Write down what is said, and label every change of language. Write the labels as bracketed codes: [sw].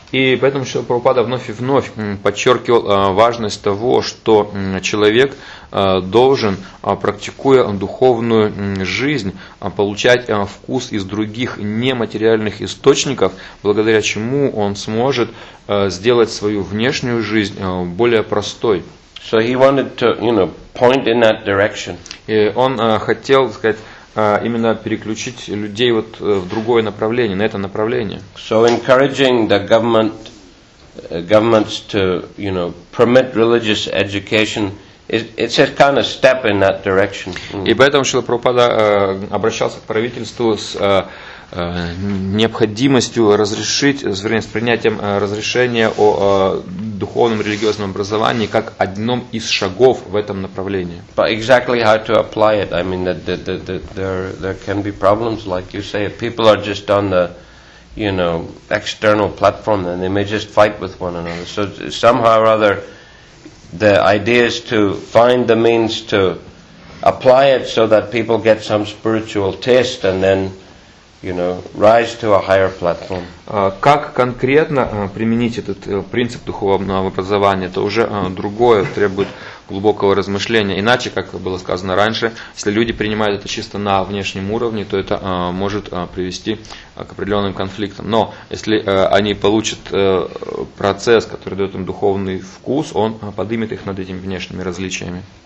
[ru] И поэтому Шрила Прабхупада вновь и вновь подчеркивал важность того, что человек должен, практикуя духовную жизнь, получать вкус из других нематериальных источников, благодаря чему он сможет сделать свою внешнюю жизнь более простой. [en] So he wanted to, you know, point in that direction. [ru] И он хотел, так сказать, именно переключить людей вот в другое направление, на это направление. [en] So encouraging the governments to, you know, permit religious education, it's a kind of step in that direction. [ru] И поэтому Шрила Прабхупада обращался к правительству с необходимостью разрешить, вернее, с принятием разрешения о духовном религиозном образовании как одном из шагов в этом направлении. [en] But exactly how to apply it, I mean, there can be problems, like you say, if people are just on the, you know, external platform, then they may just fight with one another. So somehow or other, the idea is to find the means to apply it so that people get some spiritual taste and then, you know, rise to a higher platform. [ru] Как конкретно применить этот принцип духовного образования, это уже другое, требует глубокого размышления. Иначе, как было сказано раньше, если люди принимают это чисто на внешнем уровне, то это может привести к определенным конфликтам. Но если они получат процесс, который дает им духовный вкус, он поднимет их над этими внешними различиями.